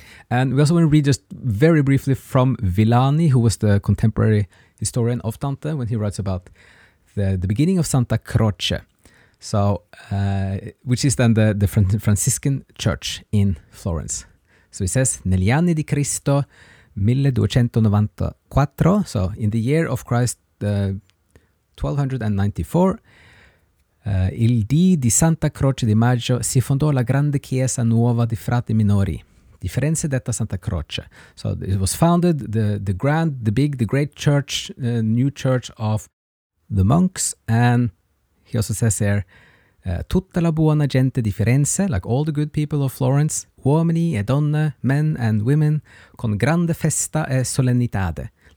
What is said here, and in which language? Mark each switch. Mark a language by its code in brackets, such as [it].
[en] And we also want to read just very briefly from Villani, who was the contemporary historian of Dante, when he writes about the beginning of Santa Croce, so which is then the Franciscan church in Florence. So he says, [it] negli anni di Cristo 1294, [en] so in the year of Christ 1294, [it] il dì di Santa Croce di Maggio si fondò la grande chiesa nuova di frati minori, di Firenze detta Santa Croce. [en] So it was founded, the great church, new church of the monks. And he also says here, [it] tutta la buona gente di Firenze, [en] all the good people of Florence, [it] uomini e donne, [en] men and women, [it] con grande festa e solennitate.